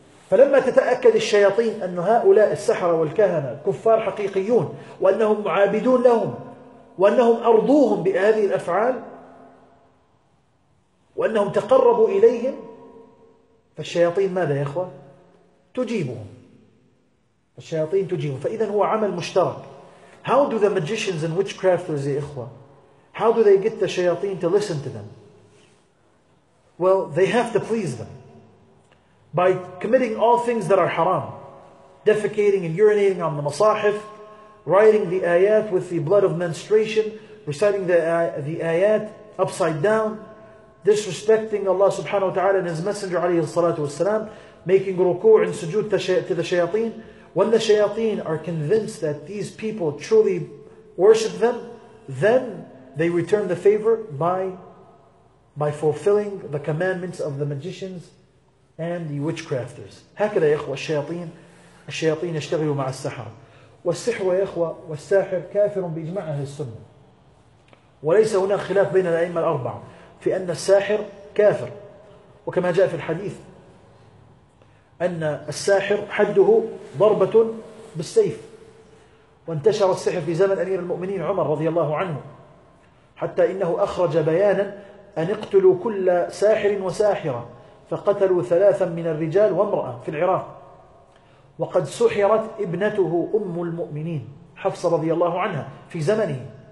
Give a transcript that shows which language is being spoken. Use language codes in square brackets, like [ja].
[ar] فلما تتأكد الشياطين أن هؤلاء السحرة والكهنة كفار حقيقيون وأنهم معابدون لهم وأنهم أرضوهم بهذه الأفعال وأنهم تقربوا إليهم, فالشياطين ماذا يا إخوة؟ تجيبهم, الشياطين تجيبهم. فإذا هو عمل مشترك. [en] How do the magicians and witchcrafters [ar] يا إخوة, [en] how do they get the shayateen to listen to them? Well, they have to please them by committing all things that are haram, defecating and urinating on the masahif, writing the ayat with the blood of menstruation, reciting the ayat upside down, disrespecting Allah subhanahu wa ta'ala and His Messenger alayhi salatu wasalam, making ruku' and sujood to the shayateen. When the shayateen are convinced that these people truly worship them, then they return the favor by fulfilling the commandments of the magicians and the witchcrafters. [ar] هكذا يا إخوة الشياطين, الشياطين يشتغلوا مع السحرة. والسحر يا إخوة والساحر كافر بإجماع أهل السنة, وليس هنا خلاف بين الأئمة الأربعة في أن الساحر كافر. وكما جاء في الحديث أن الساحر حده ضربة بالسيف, وانتشر السحر في زمن أمير المؤمنين عمر رضي الله عنه حتى إنه أخرج بيانا أن اقتلوا كل ساحر وساحرة, فقتلوا ثلاثا من الرجال وامرأة في العراق, وقد سحرت ابنته أم المؤمنين حفصة رضي الله عنها في زمنه.